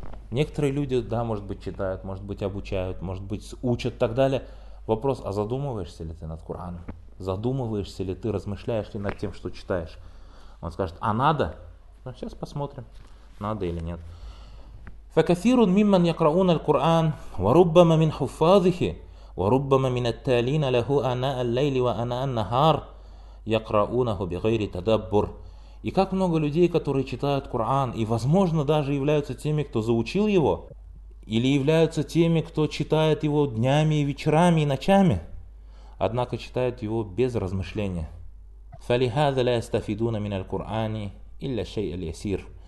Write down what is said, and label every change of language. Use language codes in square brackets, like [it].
[ru] Некоторые люди, да, может быть, читают, может быть, обучают, может быть, учат и так далее. Вопрос: а задумываешься ли ты над Кораном? Задумываешься ли ты, размышляешь ли над тем, что читаешь? Он скажет: а надо? Ну, сейчас посмотрим, надо или нет. [ar] «Факасирун мимман якрауна аль-Куран, ва руббама мин хуфазихи, وربما من التالين له آناء الليل وآناء النهار يقرؤونه بغير تدبر. [ru] И как много людей, которые читают Коран и, возможно, даже являются теми, кто заучил его, или являются теми, кто читает его днями и вечерами и ночами, однако читают его без размышления. [ar] فَلِهَذَا لَا يَسْتَفِدُونَ مِنَ الْقُرْآنِ إِلَّا شَيْءَ الْيَسِيرِ.